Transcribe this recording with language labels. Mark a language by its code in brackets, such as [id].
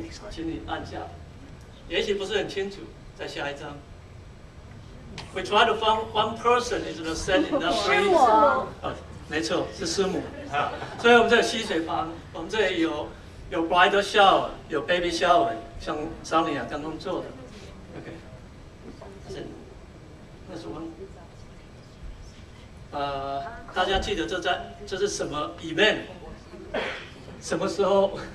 [zh] 请你按下，也许不是很清楚，再下一张。 [en] We try to find one person is the same in the three。 [zh] 是我、没错，是师母。所以我们这里溪水旁，我们这里有 bridal shower， 有 baby shower， 像桑尼亚刚刚做的。 OK， 那是我。大家记得这是什么 event？ 什么时候？